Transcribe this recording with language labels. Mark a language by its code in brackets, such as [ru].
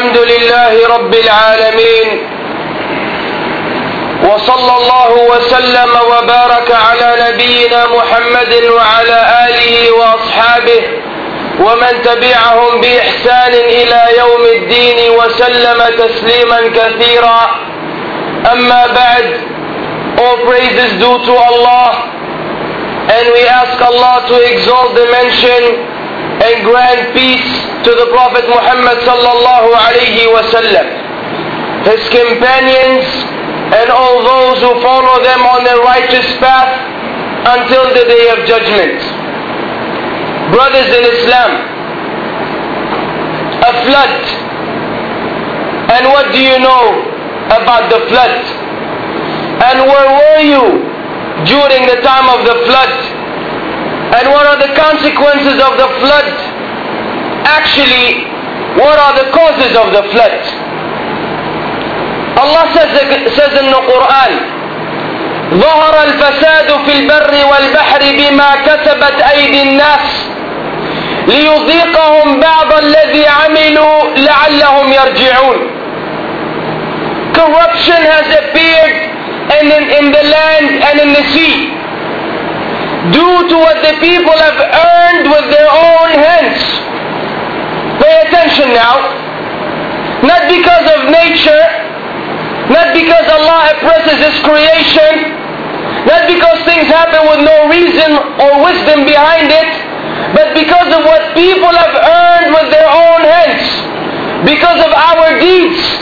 [ar] لله رب العالمين، وصلى الله وسلم وبارك على نبينا محمد وعلى آله وأصحابه ومن تبعهم بإحسان إلى يوم الدين وسلم تسليما كثيرا. أما بعد، [en] all praises due to Allah, and we ask Allah to exalt the mention and grant peace to the Prophet Muhammad sallallahu alayhi wa sallam, his companions, and all those who follow them on their righteous path until the day of judgment. Brothers in Islam, a flood. And what do you know about the flood? And where were you during the time of the flood? And what are the consequences of the flood? Actually, what are the causes of the flood? Allah says in the Quran, [ar] ظهر الفساد في البر والبحر بما كسبت أيدي الناس ليذيقهم بعض الذي عملوا لعلهم يرجعون. [en] Corruption has appeared in the land and in the sea due to what the people have earned with their own hands. Pay attention now. Not because of nature, not because Allah oppresses His creation, not because things happen with no reason or wisdom behind it, but because of what people have earned with their own hands, because of our deeds.